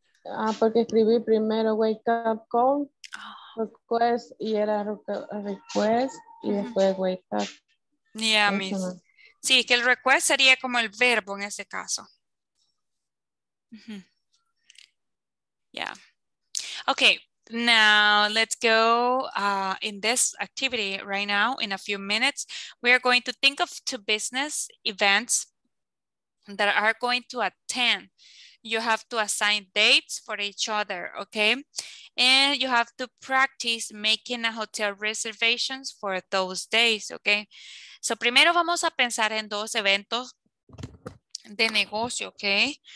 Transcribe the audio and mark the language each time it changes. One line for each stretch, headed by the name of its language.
Spanish: Ah, porque escribí primero wake up call, request, y era request, y después wake up.
English: Yeah, miss.
Spanish: Sí, que el request sería como el verbo en ese caso.
English: Yeah. Okay, now let's go in this activity right now. In a few minutes, we are going to think of two business events that are going to attend. You have to assign dates for each other, okay? And you have to practice making a hotel reservations for those days, okay?
Spanish: So primero vamos a pensar en dos eventos de negocio, okay?